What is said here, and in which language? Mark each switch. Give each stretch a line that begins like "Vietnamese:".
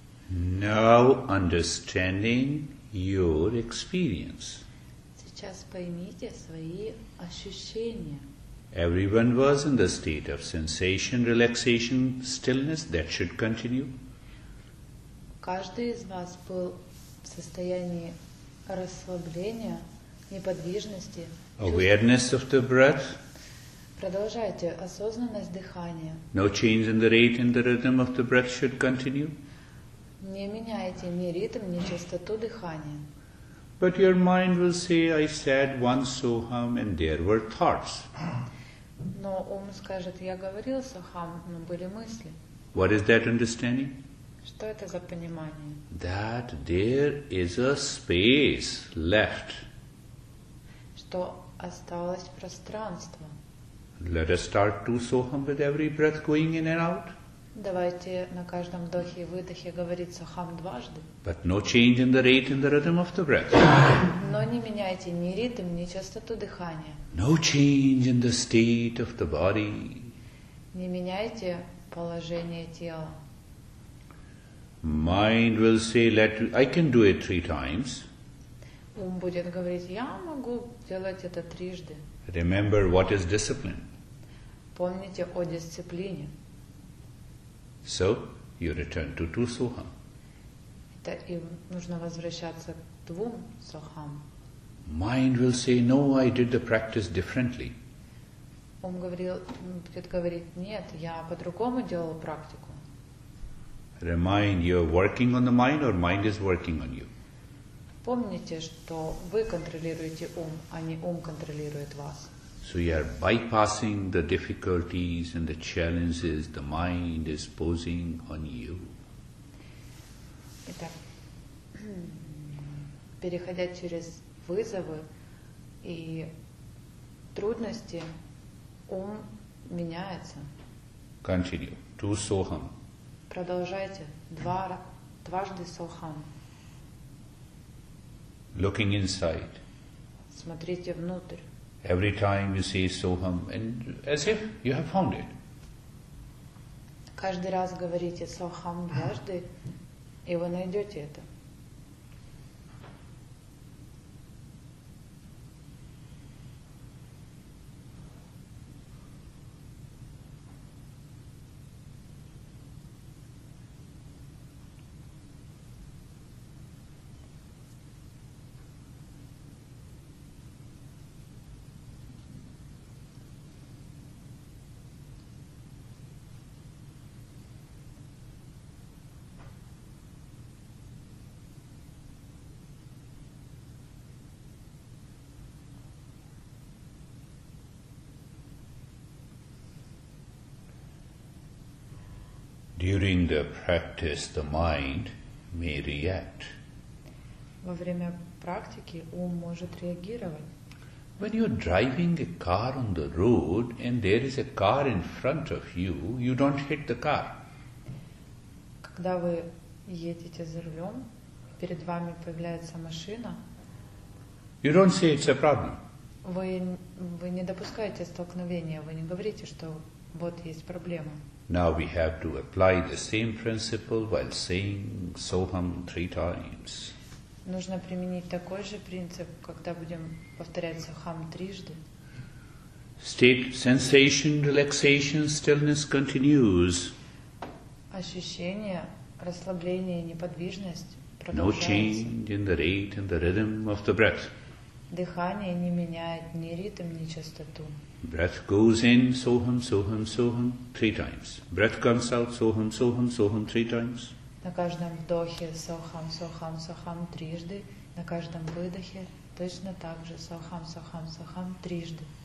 English: now understanding your experience.
Russian: Сейчас поймите свои ощущения.
English: Everyone was in the state of sensation, relaxation, stillness. That should continue.
Russian: Каждый из вас был в состоянии расслабления, неподвижности.
English: Awareness of the breath.
Russian: Продолжайте осознанность дыхания.
English: No change in the rate and the rhythm of the breath should continue.
Russian: Не меняйте ни ритм, ни частоту дыхания.
English: But your mind will say, I said one soham and there were thoughts.
Russian: Но ум скажет, я говорил сухам, но были мысли.
English: What is that understanding?
Russian: Что это за понимание?
English: That there is a space left.
Russian: Что осталось пространство.
English: Let us start two soham with every breath going in and out.
Russian: Давайте на каждом вдохе и выдохе говорить сухам дважды.
English: But no change in the rate and the rhythm of the breath.
Russian: Но не меняйте ни ритм, ни частоту дыхания.
English: No change in the state of the body.
Russian: Не меняйте положение тела.
English: Mind will say, "Let I can do it three times."
Russian: Ум будет говорить, я могу делать это трижды.
English: Remember what is discipline.
Russian: Помните о дисциплине.
English: So you return to two soham.
Russian: И нужно возвращаться к двум сохам.
English: Mind will say, no, I did the practice differently.
Russian: Ум будет говорить, нет, я по-другому делал практику.
English: Remind you're working on the mind or mind is working on you.
Russian: Помните, что вы контролируете ум, а не ум контролирует вас.
English: So you are bypassing the difficulties and the challenges the mind is posing on you.
Russian: Итак, переходя через вызовы и трудности, ум меняется.
English: Continue. Two soham.
Russian: Продолжайте. Дважды soham.
English: Looking inside.
Russian: Смотрите внутрь.
English: Every time you say soham, and as if you have found it.
Russian: Каждый раз говорите soham дважды, и вы найдете это.
English: During the practice, the mind may react.
Russian: Во время практики ум может реагировать.
English: When you're driving a car on the road and there is a car in front of you, you don't hit the car.
Russian: Когда вы едете за рулем, перед вами появляется машина.
English: You don't say it's a problem.
Russian: Вы не допускаете столкновения, вы не говорите, что вот есть проблема.
English: Now we have to apply the same principle while saying soham three times.
Russian: Нужно применить такой же принцип, когда будем повторять soham трижды.
English: State, sensation, relaxation, stillness continues.
Russian: Ощущение, расслабление, неподвижность продолжается.
English: No change in the rate and the rhythm of the breath.
Russian: Дыхание не меняет ни ритм, ни частоту.
English: Breath goes in, soham, soham, soham, three times. Breath comes out, soham, soham, soham, three times.
Russian: На каждом вдохе soham, soham, soham, трижды. На каждом выдохе точно так же soham, soham, soham, трижды.